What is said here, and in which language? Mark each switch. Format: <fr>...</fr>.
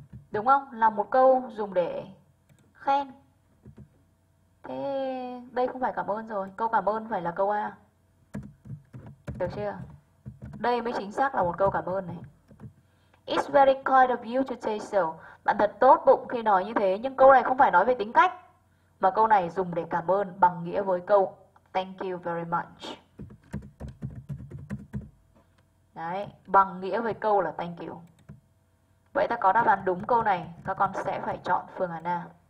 <vi>Đúng không? Là một câu dùng để khen. Thế đây không phải cảm ơn rồi, câu cảm ơn phải là câu A. Được chưa? Đây mới chính xác là một câu cảm ơn này.</vi> <en>It's very kind of you to say so.</en> <vi>Bạn thật tốt bụng khi nói như thế, nhưng câu này không phải nói về tính cách, mà câu này dùng để cảm ơn bằng nghĩa với câu</vi> <en>thank you very much.</en> <vi>Đấy, bằng nghĩa với câu là thank you. Vậy ta có đáp án đúng câu này, các con sẽ phải chọn phương án A.</vi>